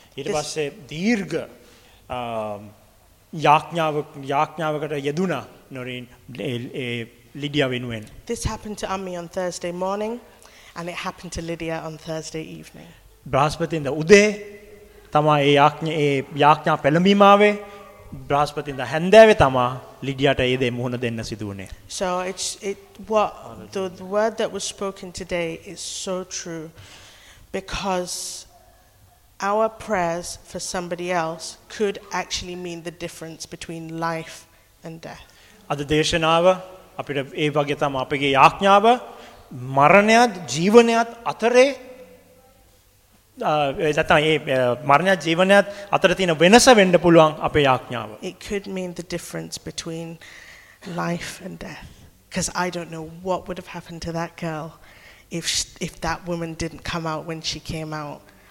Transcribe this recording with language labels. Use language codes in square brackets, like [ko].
[si] ඊට පස්සේ දීර්ඝ යාඥාවකට යෙදුණා නොරින් ලිඩියා වෙනුවෙන්. [en] This happened to Ammi on Thursday morning and it happened to Lydia on Thursday evening. [si] බ්‍රහස්පතින්දා උදේ තමයි ඒ යාඥා පළඹීම ආවේ. බ්‍රහස්පතින්දා හැන්දෑවේ තමා ලිඩියාට ඒ දේ මුහුණ දෙන්න සිදු වුණේ. [en] So the word that was spoken today is so true, because our prayers for somebody else could actually mean the difference between life and death. [si] අද දේශනාව අපිට ඒ වගේ තමයි අපගේ යාඥාව මරණයත් ජීවනයත් අතරේ තියෙන වෙනස වෙන්න පුළුවන් අපේ යාඥාව. [en] It could mean the difference between life and death, because I don't know what would have happened to that girl if that woman didn't come out when she came out.